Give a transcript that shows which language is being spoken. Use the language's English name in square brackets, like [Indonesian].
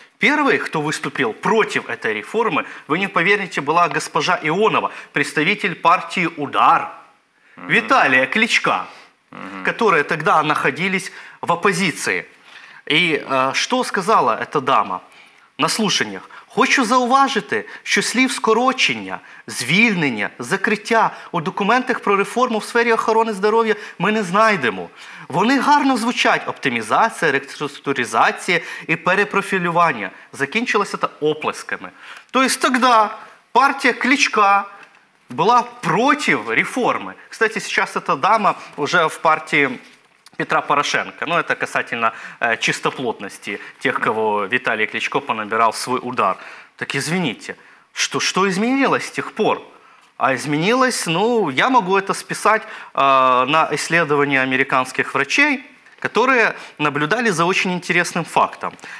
[Russian] Первый, кто выступил против этой реформы, вы не поверите, была госпожа Ионова, представитель партии «Удар», Виталия Кличка, которые тогда находились в оппозиции. И что сказала эта дама на слушаниях? [Ukrainian] «Хочу зауважити, що слів скорочення, звільнення, закриття у документах про реформу в сфері охорони здоров'я ми не знайдемо. Вони гарно звучать – оптимізація, реструктуризація і перепрофілювання». Закінчилося це оплесками. Тобто тоді партія Кличка була проти реформи. Кстати, зараз ця дама вже в партії Петра Порошенко. [Russian] Ну, это касательно чистоплотности тех, кого Виталий Кличко понабирал в свой удар. Так извините, что изменилось с тех пор? А изменилось, ну, я могу это списать на исследования американских врачей, которые наблюдали за очень интересным фактом.